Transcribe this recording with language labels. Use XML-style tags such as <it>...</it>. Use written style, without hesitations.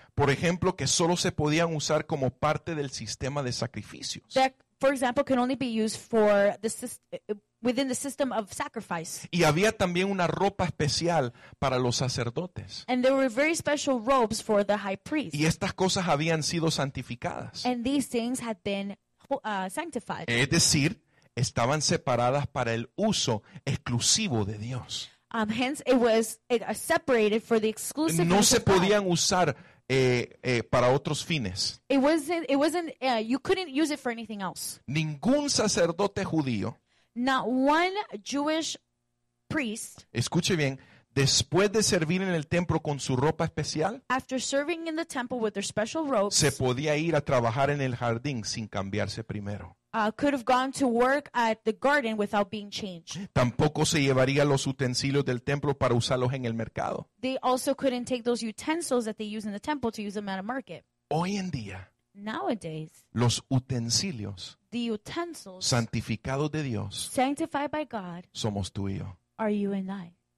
<es>Por ejemplo, que solo se podían usar como parte del sistema de sacrificios.</es> <en>That, for example, can only be used for the within the system of sacrifice.</en> <es>Y había también una ropa especial para los sacerdotes.</es> <en>And there were very special robes for the high priest.</en> <es>Y estas cosas habían sido santificadas.</es> <en>And these things had been sanctified.</en> <es>Es decir, estaban separadas para el uso exclusivo de Dios.</es> <en>Hence, it was separated for the exclusive</en> <es>No se podían usar para otros fines.</es> <en>You couldn't use it for anything else.</en> <es>Ningún sacerdote judío.</es> <en>Not one Jewish priest.</en> <es>Escuche bien. Después de servir en el templo con su ropa especial,</es> <en>After serving in the temple with their special robes,</en> <es>se podía ir a trabajar en el jardín sin cambiarse primero.</es> <en>Could have gone to work at the garden without being changed.</en> <es>Tampoco se llevaría los utensilios del templo para usarlos en el mercado.</es> <en>They also couldn't take those utensils that they use in the temple to use them at a market.</en> <es>Hoy en día,</es> <en>nowadays,</en> <es>los utensilios,</es> <en>the utensils,</en> <es>santificados de Dios,</es> <en>sanctified by God,</en> <es>somos tú y yo.</es> <en>Are you and I?</en>